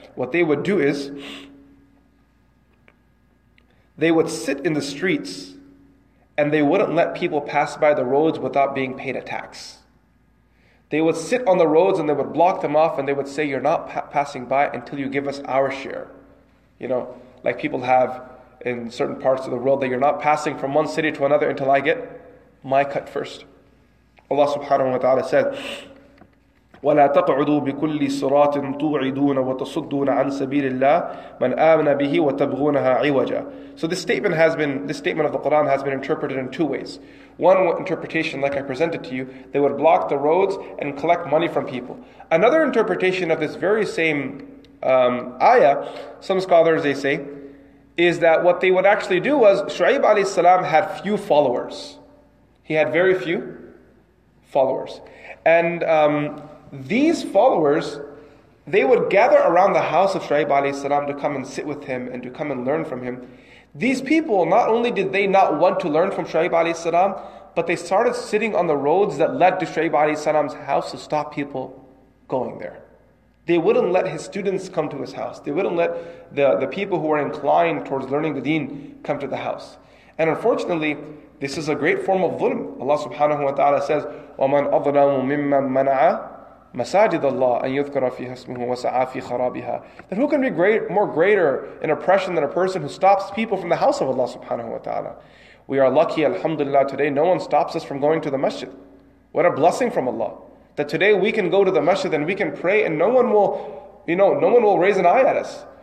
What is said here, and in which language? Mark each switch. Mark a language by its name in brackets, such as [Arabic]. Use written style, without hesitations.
[English] What they would do is, they would sit in the streets and they wouldn't let people pass by the roads without being paid a tax. They would sit on the roads and they would block them off and they would say, you're not passing by until you give us our share. You know, like people have in certain parts of the world, that you're not passing from one city to another until I get my cut first. [Arabic] Allah subhanahu wa ta'ala said, وَلَا تَقْعُدُوا بِكُلِّ صِرَاطٍ تُوْعِدُونَ وَتَصُدُّونَ عَنْ سَبِيلِ اللَّهِ مَنْ آمَنَ بِهِ وَتَبْغُونَهَا عِوَجًا. [English] So this statement of the Quran has been interpreted in two ways. One interpretation, like I presented to you, they would block the roads and collect money from people. Another interpretation of this very same ayah, some scholars, they say, is that what they would actually do was, Shu'aib alayhi salam had few followers. He had very few followers. And these followers, they would gather around the house of Shuayb alayhi salam to come and sit with him and to come and learn from him. These people, not only did they not want to learn from Shuayb alayhi salam, but they started sitting on the roads that led to Shuayb alayhi salam's house to stop people going there. They wouldn't let his students come to his house. They wouldn't let the people who were inclined towards learning the deen come to the house. And unfortunately, this is a great form of dhulm. [Arabic] Allah subhanahu wa ta'ala says, وَمَنْ أَظْلَمُ مِمَّنْ مَنَعَ مَسَاجِدَ اللَّهِ أَنْ يُذْكَرَ فِيهَا اسْمُهُ وَسَعَى فِي خَرَابِهَا. [English] Then who can be greater in oppression than a person who stops people from the house of Allah subhanahu wa ta'ala? We are lucky, alhamdulillah, today no one stops us from going to the masjid. What a blessing from Allah. That today we can go to the masjid and we can pray and no one will raise an eye at us.